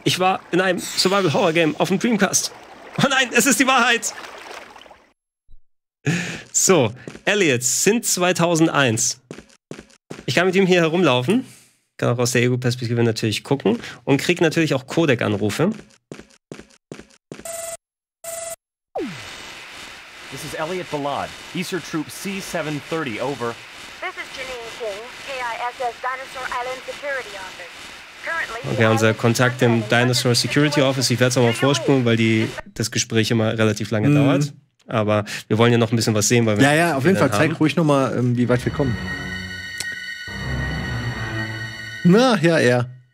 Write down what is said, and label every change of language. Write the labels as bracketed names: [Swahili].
[German] Ich war in einem Survival-Horror-Game auf dem Dreamcast. Oh nein, es ist die Wahrheit! So, Elliot, sind 2001. Ich kann mit ihm hier herumlaufen, kann auch aus der Ego-Perspektive natürlich gucken und krieg natürlich auch Codec-Anrufe. [English] This is Elliot Ballad, Easter Troop C-730, over. This is Janine King, KISS Dinosaur Island Security Office. [German] Okay, unser Kontakt im Dinosaur Security Office. Ich werde es auch mal vorspulen, weil das Gespräch immer relativ lange dauert. Aber wir wollen ja noch ein bisschen was sehen. Ja, auf jeden Fall. Zeig ruhig nochmal, wie weit wir kommen. Na, ja, er.